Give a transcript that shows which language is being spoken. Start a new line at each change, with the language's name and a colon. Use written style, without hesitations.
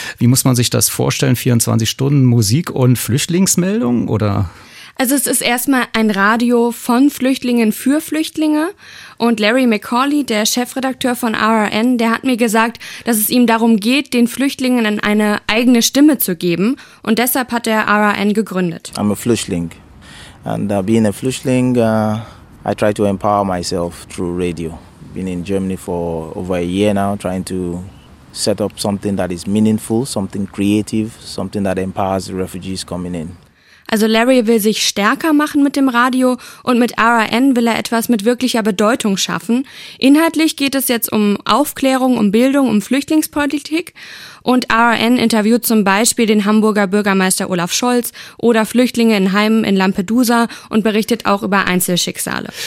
German: Wie muss man sich das vorstellen? 24 Stunden Musik und Flüchtlingsmeldung oder... Also es ist erstmal ein Radio von Flüchtlingen für Flüchtlinge und Larry McCauley, der Chefredakteur von RRN, der hat mir gesagt, dass es ihm darum geht, den Flüchtlingen eine eigene Stimme zu geben und deshalb hat er RRN gegründet.
English: I'm a Flüchtling and being a Flüchtling, I try to empower myself through radio. Been in Germany for over a year now, trying to set up something that is meaningful, something creative, something that empowers the refugees coming in.
German: Also Larry will sich stärker machen mit dem Radio und mit RRN will er etwas mit wirklicher Bedeutung schaffen. Inhaltlich geht es jetzt um Aufklärung, um Bildung, um Flüchtlingspolitik und RRN interviewt zum Beispiel den Hamburger Bürgermeister Olaf Scholz oder Flüchtlinge in Heimen in Lampedusa und berichtet auch über Einzelschicksale.